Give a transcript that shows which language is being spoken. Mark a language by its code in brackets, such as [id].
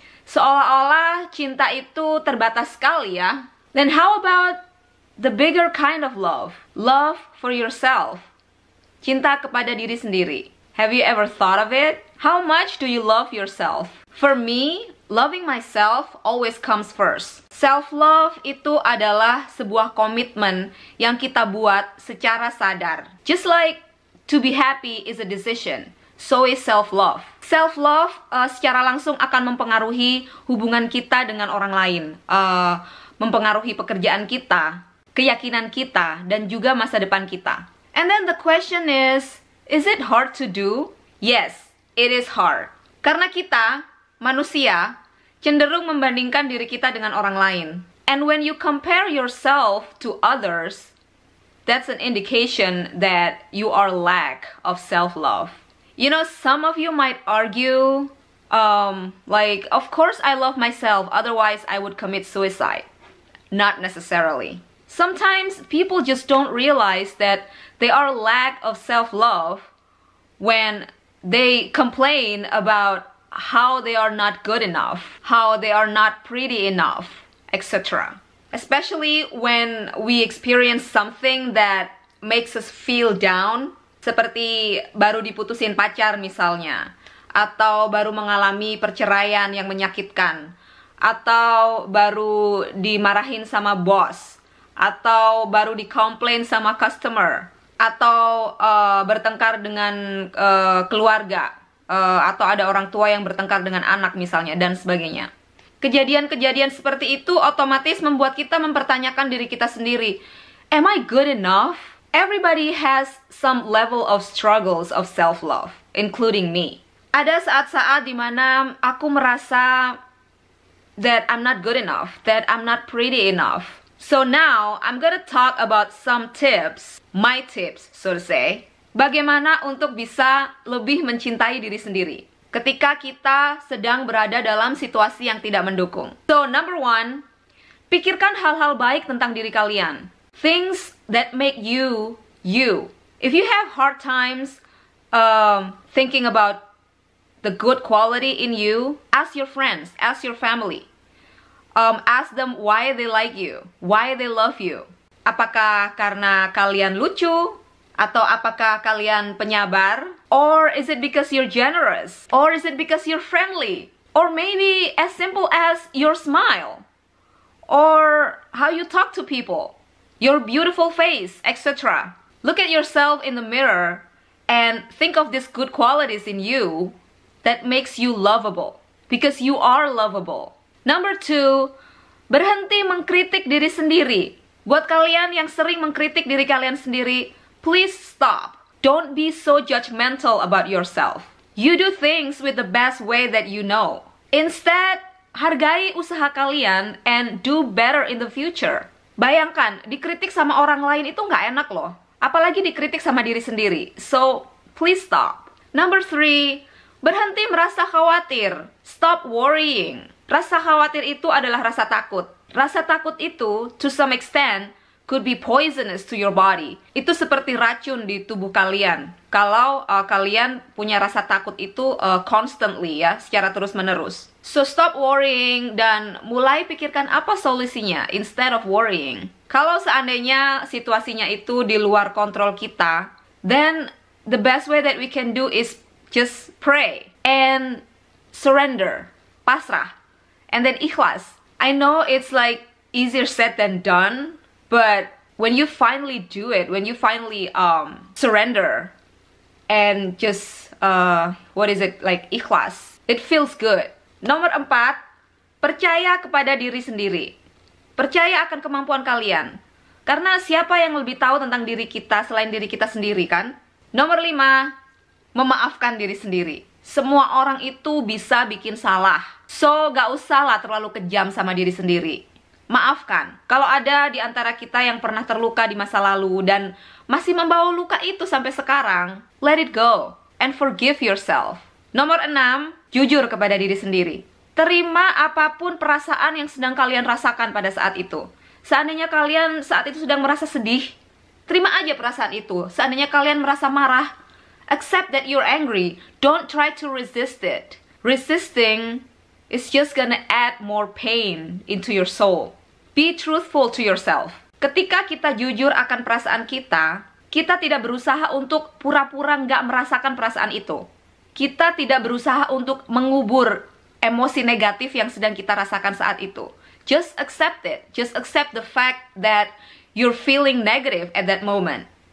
[id] Seolah-olah cinta itu terbatas sekali ya. [en] Then how about the bigger kind of love? Love for yourself. [id] Cinta kepada diri sendiri. [en] Have you ever thought of it? How much do you love yourself? For me, loving myself always comes first. [id] Self-love itu adalah sebuah komitmen yang kita buat secara sadar. [en] Just like to be happy is a decision, so is self-love. [id] Self-love secara langsung akan mempengaruhi hubungan kita dengan orang lain, mempengaruhi pekerjaan kita, keyakinan kita, dan juga masa depan kita. [en] And then the question is it hard to do? Yes, it is hard. [id] Karena kita, manusia, cenderung membandingkan diri kita dengan orang lain. [en] And when you compare yourself to others, that's an indication that you are lack of self-love. You know, some of you might argue, like, of course I love myself, otherwise I would commit suicide. Not necessarily. Sometimes people just don't realize that they are lack of self-love when they complain about how they are not good enough, how they are not pretty enough, etc. Especially when we experience something that makes us feel down, [id] seperti baru diputusin pacar misalnya, atau baru mengalami perceraian yang menyakitkan, atau baru dimarahin sama bos, atau baru dikomplain sama customer, atau bertengkar dengan keluarga, atau ada orang tua yang bertengkar dengan anak misalnya, dan sebagainya. Kejadian-kejadian seperti itu otomatis membuat kita mempertanyakan diri kita sendiri. [en] Am I good enough? Everybody has some level of struggles of self-love, including me. [id] Ada saat-saat di mana aku merasa [en] that I'm not good enough, that I'm not pretty enough. So now, I'm gonna talk about some tips, my tips, so to say. [id] Bagaimana untuk bisa lebih mencintai diri sendiri ketika kita sedang berada dalam situasi yang tidak mendukung. [en] So, number one, [id] pikirkan hal-hal baik tentang diri kalian. [en] Things that make you, you. If you have hard times thinking about the good quality in you, ask your friends, ask your family. Ask them why they like you, why they love you. [id] Apakah karena kalian lucu? Atau apakah kalian penyabar? [en] Or is it because you're generous? Or is it because you're friendly? Or maybe as simple as your smile? Or how you talk to people? Your beautiful face, etc. Look at yourself in the mirror and think of these good qualities in you that makes you lovable. Because you are lovable. Number two, [id] berhenti mengkritik diri sendiri. Buat kalian yang sering mengkritik diri kalian sendiri, [en] please stop. Don't be so judgmental about yourself. You do things with the best way that you know. Instead, [id] hargai usaha kalian [en] and do better in the future. [id] Bayangkan, dikritik sama orang lain itu nggak enak loh. Apalagi dikritik sama diri sendiri. [en] So, please stop. Number three, [id] berhenti merasa khawatir. [en] Stop worrying. [id] Rasa khawatir itu adalah rasa takut. Rasa takut itu, [en] to some extent, could be poisonous to your body. [id] Itu seperti racun di tubuh kalian. Kalau kalian punya rasa takut itu constantly ya, secara terus-menerus. [en] So stop worrying [id] dan mulai pikirkan apa solusinya [en] instead of worrying. [id] Kalau seandainya situasinya itu di luar kontrol kita, [en] then the best way that we can do is just pray and surrender, pasrah, and then ikhlas. I know it's like easier said than done, but when you finally do it, when you finally surrender and just, what is it, like ikhlas, it feels good. [id] Nomor 4, percaya kepada diri sendiri. Percaya akan kemampuan kalian. Karena siapa yang lebih tahu tentang diri kita selain diri kita sendiri, kan? Nomor 5, memaafkan diri sendiri. Semua orang itu bisa bikin salah. So, gak usahlah terlalu kejam sama diri sendiri. Maafkan, kalau ada di antara kita yang pernah terluka di masa lalu dan masih membawa luka itu sampai sekarang, [en] let it go and forgive yourself. [id] Nomor 6, jujur kepada diri sendiri. Terima apapun perasaan yang sedang kalian rasakan pada saat itu. Seandainya kalian saat itu sedang merasa sedih, terima aja perasaan itu. Seandainya kalian merasa marah, [en] accept that you're angry. Don't try to resist it. Resisting is just gonna add more pain into your soul. Be truthful to yourself. [id] Ketika kita jujur akan perasaan kita, kita tidak berusaha untuk pura-pura nggak merasakan perasaan itu. Kita tidak berusaha untuk mengubur emosi negatif yang sedang kita rasakan saat itu. [en] Just accept it. Just accept the fact that you're feeling negative at that moment.